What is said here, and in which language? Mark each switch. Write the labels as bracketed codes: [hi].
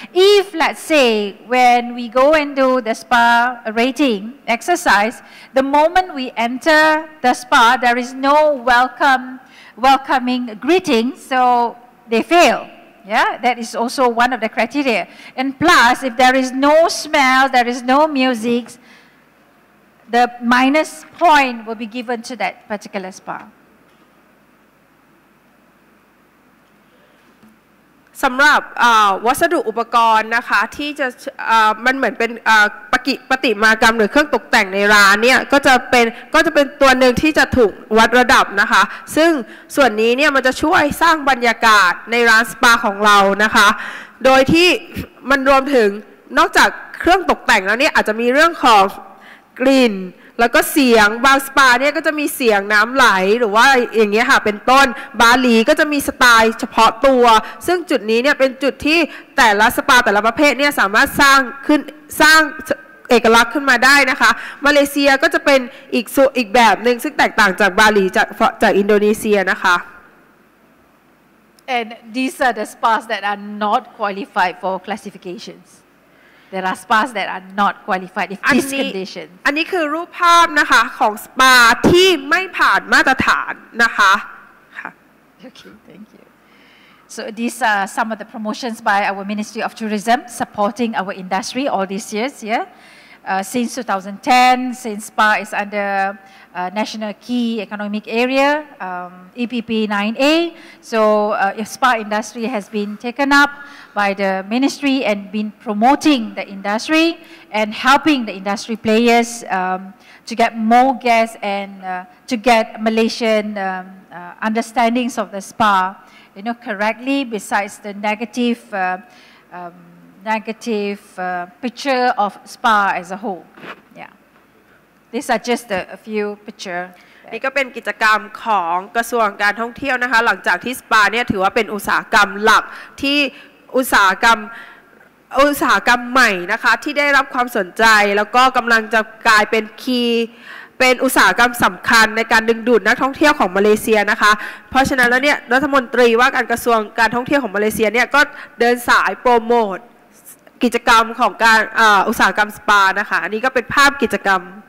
[en] If, let's say, when we go and do the spa rating exercise, the moment we enter the spa, there is no welcoming greeting, so they fail. Yeah, that is also one of the criteria. And plus, if there is no smell, there is no music, the minus point will be given to that particular spa. [th] สำหรับวัสดุอุปกรณ์นะคะที่จะมันเหมือนเป็นปฏิมากรรมหรือเครื่องตกแต่งในร้านเนี่ยก็จะเป็นตัวหนึ่งที่จะถูกวัดระดับนะคะซึ่งส่วนนี้เนี่ยมันจะช่วยสร้างบรรยากาศในร้านสปาของเรานะคะโดยที่มันรวมถึงนอกจากเครื่องตกแต่งแล้วเนี่ยอาจจะมีเรื่องของ กลิ่นแล้วก็เสียงบางสปาเนี่ยก็จะมีเสียงน้ำไหลหรือว่าอย่างเงี้ยค่ะเป็นต้นบาหลีก็จะมีสไตล์เฉพาะตัวซึ่งจุดนี้เนี่ยเป็นจุดที่แต่ละสปาแต่ละประเภทเนี่ยสามารถสร้างเอกลักษณ์ขึ้นมาได้นะคะมาเลเซียก็จะเป็นอีกแบบนึงซึ่งแตกต่างจากบาหลีจากอินโดนีเซียนะคะ [en] And these are the spas that are not qualified for classificationsThere are spas that are not qualified if this condition. [th] อันนี้คือรูปภาพนะคะของสปาที่ไม่ผ่านมาตรฐานนะคะ [en] Okay, thank you. So these are some of the promotions by our Ministry of Tourism supporting our industry all these years, yeah? Since 2010, since spa is under National Key Economic Area, EPP 9A, so spa industry has been taken up by the ministry and been promoting the industry and helping the industry players to get more guests and to get Malaysian understandings of the spa, you know, correctly besides the negative picture of spa as a whole. Yeah. These are just a few picture. [th] นี่ก็เป็นกิจกรรมของกระทรวงการท่องเที่ยวนะคะหลังจากที่สปาเนี่ยถือว่าเป็นอุตสาหกรรมหลักที่อุตสาหกรรมใหม่นะคะที่ได้รับความสนใจแล้วก็กำลังจะกลายเป็นเป็นอุตสาหกรรมสำคัญในการดึงดูดนักท่องเที่ยวของมาเลเซียนะคะเพราะฉะนั้นแล้วเนี่ยรัฐมนตรีว่าการกระทรวงการท่องเที่ยวของมาเลเซียเนี่ยก็เดินสายโปรโมทกิจกรรมของการอุตสาหกรรมสปานะคะอันนี้ก็เป็นภาพกิจกรรม